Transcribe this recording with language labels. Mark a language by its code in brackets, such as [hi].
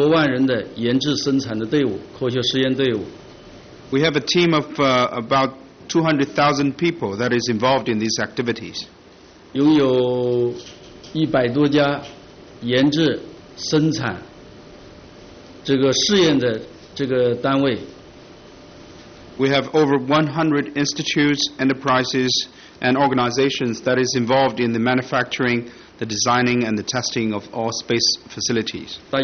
[zh] 我们拥有20多万人的研制生产的队伍，科学实验队伍。 [en] We have a team of about 200,000 people that is involved in these activities. [zh] 拥有100多家研制生产 这个试验的这个单位。 [en] We have over 100 institutes, enterprises, and organizations that is involved in the manufacturing, the designing, and the testing of all space facilities.